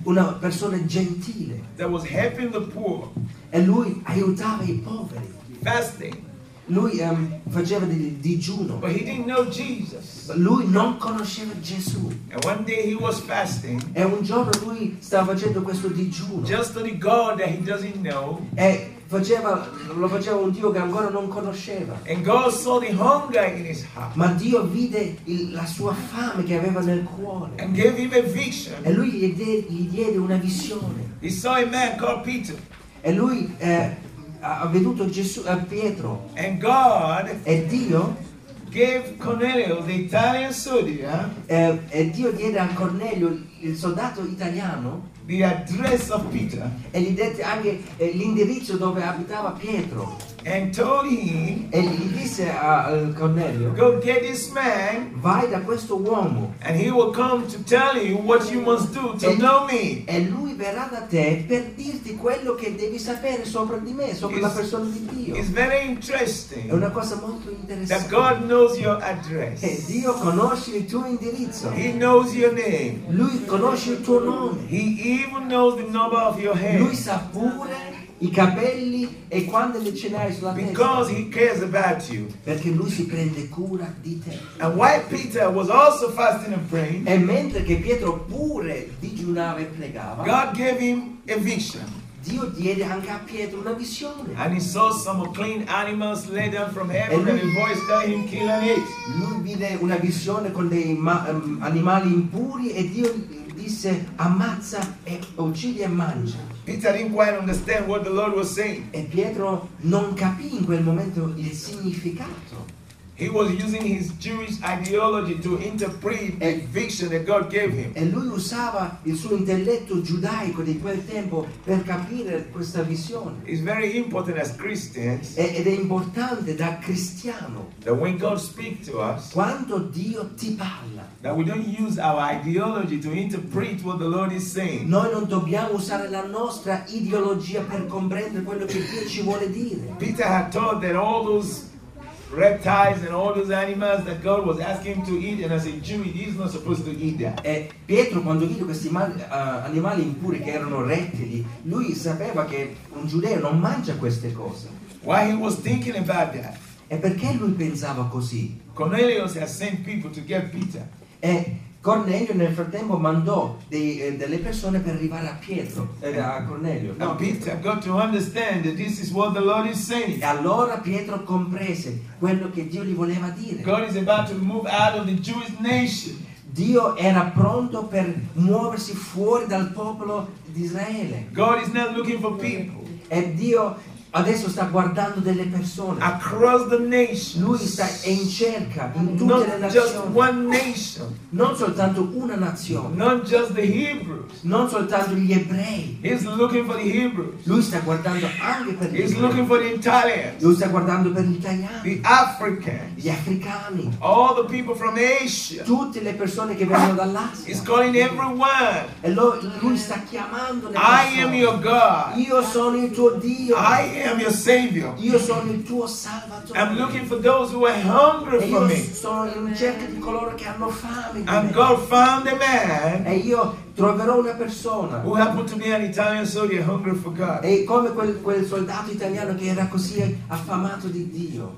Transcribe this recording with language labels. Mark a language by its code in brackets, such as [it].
[it] Una persona gentile. [en] That was helping the poor. [it] E lui aiutava i poveri. [en] Fasting. [it] Lui faceva del digiuno. [en] But he didn't know Jesus. [it] Ma lui non conosceva Gesù. [en] And one day he was fasting. [it] E un giorno lui stava facendo questo digiuno. [en] Just to the God that he doesn't know. [it] Lo faceva un Dio che ancora non conosceva. [en] And God saw the hunger in his heart. [it] Ma Dio vide la sua fame che aveva nel cuore. [en] And gave him a vision. [it] E lui gli diede una visione. [en] He saw a man called Peter. [it] E lui ha veduto Gesù a Pietro. [en] And God [it] e Dio [en] gave Cornelio the Italian soldier. [it] E Dio diede a Cornelio il soldato italiano [en] the address of Peter. [it] E gli dette anche l'indirizzo dove abitava Pietro. [en] And told him, [it] e gli disse a Cornelio, [en] go get this man, [it] vai da questo uomo, [en] and he will come to tell you what you must do to know me. [it] E lui verrà da te per dirti quello che devi sapere sopra di me, sopra la persona di Dio. [en] It's very interesting. [it] È una cosa molto interessante. [en] That God knows your address. [it] E Dio conosce il tuo indirizzo. [en] He knows your name. [it] Lui conosce il tuo nome. [en] He even knows the number of your hair. [it] Lui sa pure i capelli e quando le ce n'hai sulla [en] Because [it] testa. [en] He cares about you. [it] Perché lui si prende cura di te. [en] And while Peter was also fasting and praying, [it] e mentre che Pietro pure digiunava e pregava, [en] God gave him a vision. [it] Dio diede anche a Pietro una visione. [en] And he saw some clean animals led down from heaven, and a voice tell him kill and eat. [it] Lui vide una visione con dei animali impuri e Dio disse ammazza e uccidi e mangia. [en] Peter didn't quite understand what the Lord was saying. [it] E Pietro non capì in quel momento il significato. [en] He was using his Jewish ideology to interpret the vision that God gave him. [it] E lui usava il suo intelletto giudaico di quel tempo per capire questa visione. [en] It's very important as Christians. [it] Ed è importante da cristiano. [en] That when God speaks to us. [it] Quando Dio ti parla. [en] That we don't use our ideology to interpret what the Lord is saying. [it] Noi non dobbiamo usare la nostra ideologia per comprendere quello che Dio ci vuole dire. [en] Peter had taught that all those reptiles and all those animals that God was asking him to eat, and as a Jew, he is not supposed to eat that. [it] E Pietro, quando vide questi animali impuri che erano rettili, lui sapeva che un giudeo non mangia queste cose. [en] Why he was thinking about that? [it] E perché lui pensava così? [en] Cornelius has sent people to get Peter. [it] E Cornelio nel frattempo mandò delle persone per arrivare a Pietro, a Cornelio. [en] No, Peter, I've got to understand that this is what the Lord is saying. [it] E allora Pietro comprese quello che Dio gli voleva dire. [en] God is about to move out of the Jewish nation. [it] Dio era pronto per muoversi fuori dal popolo di Israele. [en] God is not looking for people. [it] E Dio adesso sta guardando delle persone. [en] Across the nations. [it] Lui sta in cerca in tutte [en] Not [it] le nazioni. [en] Just one nation. [it] Non soltanto una nazione. [en] Not just the Hebrews. [it] Non soltanto gli ebrei. [en] He's looking for the Hebrews. [it] Lui sta guardando anche per gli [en] ebrei. He's looking for the Italians. [it] Lui sta guardando per gli italiani. [en] The Africans. [it] Gli africani. [en] All the people from Asia. [it] Tutte le persone che vengono dall'Asia. [en] He's calling everyone. [it] E lui sta chiamando le persone. [en] I am your God. [it] Io sono il tuo Dio. [en] I am your savior. [it] Io sono il tuo salvatore. [en] I'm looking for those who are hungry for me. [it] Sono in cerca di coloro che hanno fame. [en] And God found a man. [it] E io troverò una persona. [en] Who happened to be an Italian soldier hungry for God. [it] E come quel soldato italiano che era così affamato di Dio.